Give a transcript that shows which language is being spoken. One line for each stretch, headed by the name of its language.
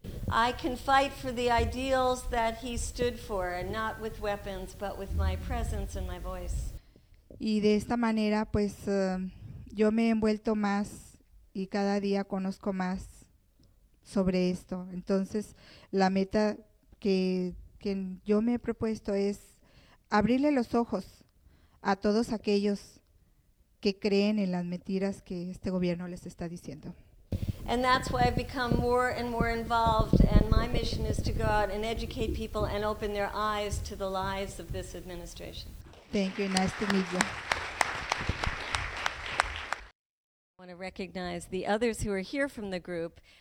English: I can fight for the ideals that he stood for, and not with weapons, but with my presence and my voice.
Spanish: Y de esta manera, pues, yo me he envuelto más y cada día conozco más sobre esto. Entonces, la meta que yo me he propuesto es abrirle los ojos a todos aquellos que creen en las mentiras que este gobierno les está diciendo.
English: And that's why I've become more and more involved, and my mission is to go out and educate people and open their eyes to the lies of this administration. Thank you. Nice to meet you. I want to recognize the others who are here from the group.